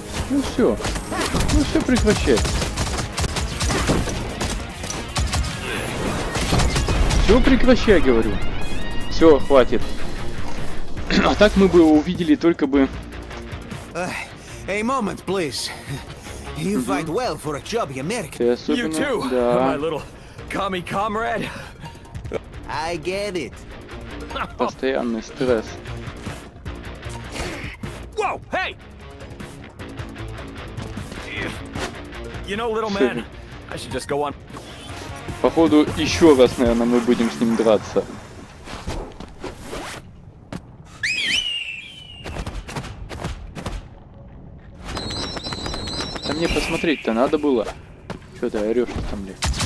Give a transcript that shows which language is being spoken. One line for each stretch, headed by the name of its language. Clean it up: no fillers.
Russian: Ну все. Ну все прекращай. Все прекращай, говорю. Все, хватит. А так мы бы его увидели только бы...
English: A moment, please. You fight well for a chubby American.
Russian: Ты особенно...
English: You too,
Russian: да.
English: My little commie comrade. I get it.
Russian: Постоянный стресс.
English: Whoa, hey! You know, little man, I should just go on.
Russian: Походу еще раз, наверное, мы будем с ним драться. А мне посмотреть-то надо было. Что ты орешь там, блин?